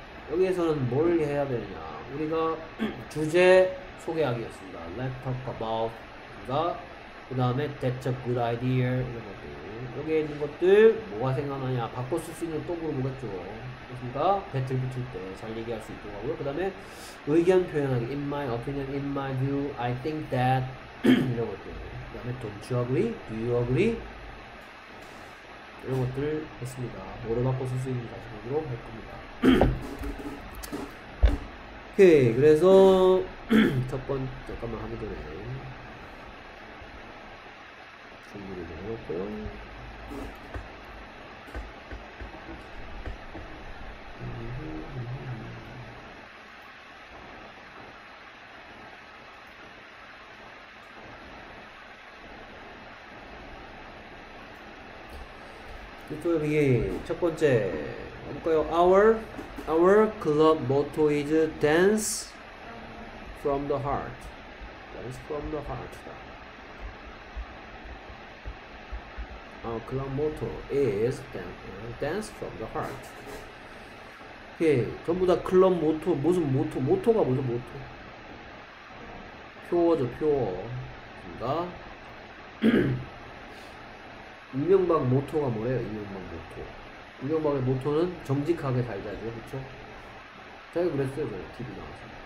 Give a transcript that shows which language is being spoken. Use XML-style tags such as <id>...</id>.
<ko>여기에서는 뭘 해야 되느냐? 우리가 주제 소개하기였습니다.</ko> <en>Let's talk about.</en> <ko>그러니까 그 다음에</ko> <en>That's a good idea.</en> <ko>이런 것들. 여기에 있는 것들, 뭐가 생각나냐? 바꿔 쓸수 있는 또 물어보겠죠. 그러니까 배틀 붙을 때잘 얘기할 수 있도록 하고요. 그 다음에 의견 표현하기.</ko> <en>In my opinion, in my view, I think that</en> <ko>이런 것들. 그 다음에</ko> <en>Don't you agree? Do you agree?</en> <ko>이런 것들 했습니다. 뭐를 바꿔 쓸수 있는지 다시 보도록 할 겁니다. 오케이, 그래서 첫 번째 잠깐만 하기 전에 준비를 해놓고요. 이쪽에 첫 번째 볼까요?</ko> <en>Our club motto is dance from the heart. Dance from the heart. Our club motto is dance from the heart.</en> <ko>이게 전부 다 클럽 모토 무슨 모토 모토가 뭐죠? 모토 표어죠 표어. 그러니까 임명박 모토가 뭐예요? 임명박 모토. 임명박의 모토는 정직하게 살자죠, 그렇죠? 제가 그랬어요, 저 TV 나와서.</ko>